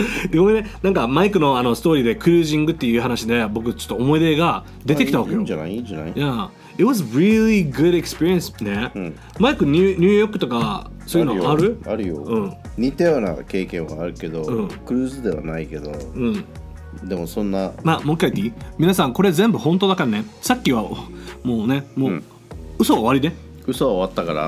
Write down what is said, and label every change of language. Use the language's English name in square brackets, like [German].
[Japanese] でごめんね、なんかマイクのあのストーリーでクルージングっていう話で僕ちょっと思い出が出てきたわけよ。いいんじゃない、いいんじゃない。い [English] や、yeah. It was really good experience ね、 [Japanese] うん、マイクニューヨークとかそういうのある？あるよ、あるよ、うん、似たような経験はあるけど、うん、クルーズではないけど、うん、でもそんな、まあもう一回言っていい？皆さんこれ全部本当だからね。さっきはもうね、もう、うん、嘘は終わりね。嘘は終わったから、